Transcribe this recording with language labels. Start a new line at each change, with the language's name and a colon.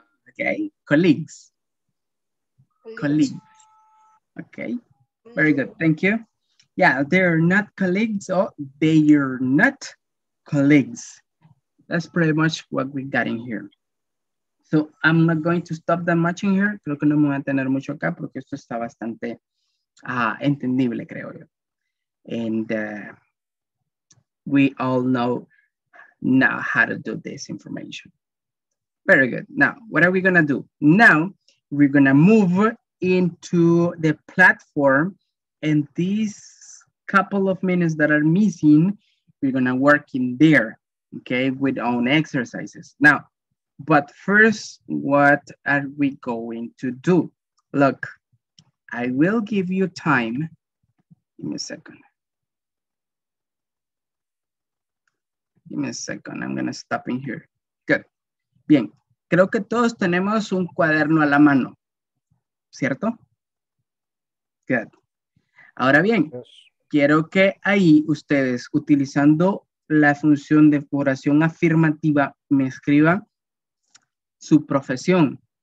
English: Okay. Colleagues. Colleagues. Okay. Very good, thank you. Yeah, they're not colleagues, or they are not colleagues. That's pretty much what we got in here. So I'm not going to stop that much in here.
Spanish: Creo que no me voy a tener mucho acá porque esto está bastante entendible, creo yo.
English: And we all know now how to do this information. Very good. Now, what are we going to do? Now, we're going to move into the platform. And these couple of minutes that are missing, we're gonna work in there, okay, with own exercises. Now, but first, what are we going to do? Look, I will give you time. Give me a second. Give me a second, I'm gonna stop in here. Good.
Spanish: Bien, creo que todos tenemos un cuaderno a la mano, ¿cierto? Good. Ahora bien, quiero que ahí ustedes, utilizando la función de oración afirmativa, me escriban su profesión.